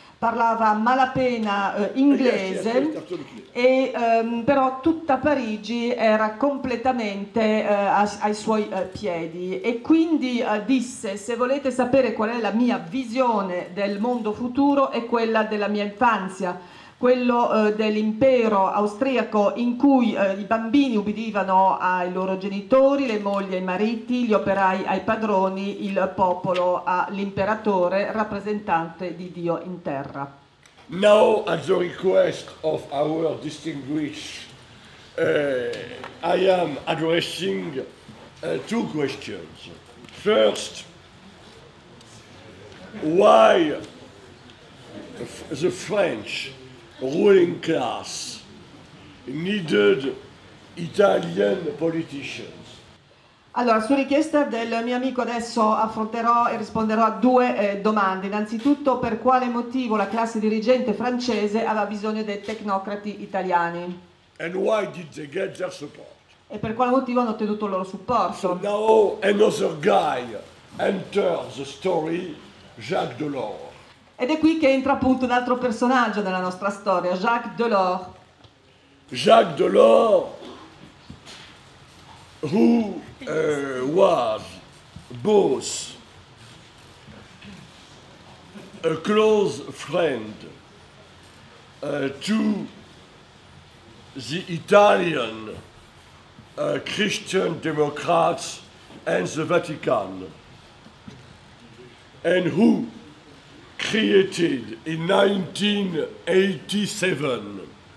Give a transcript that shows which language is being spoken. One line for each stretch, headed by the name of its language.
Italian: Parlava malapena inglese, e però tutta Parigi era completamente ai suoi piedi, e quindi disse: se volete sapere qual è la mia visione del mondo futuro, è quella della mia infanzia, quello dell'impero austriaco in cui i bambini ubbidivano ai loro genitori, le mogli ai mariti, gli operai ai padroni, il popolo all'imperatore, rappresentante di Dio in terra.
English: Now, at the request of our distinguished, I am addressing two questions. First, why the French ruling class needed Italian politicians?
Italian: Allora, su richiesta del mio amico adesso affronterò e risponderò a due domande. Innanzitutto, per quale motivo la classe dirigente francese aveva bisogno dei tecnocrati italiani?
English: And why did they get their support?
Italian: E per quale motivo hanno ottenuto il loro supporto?
English: So now another guy enters the story, Jacques Delors.
Italian: Ed è qui che entra appunto un altro personaggio nella nostra storia, Jacques Delors.
English: Jacques Delors, who was both a close friend to the Italian Christian Democrats and the Vatican, and who created in 1987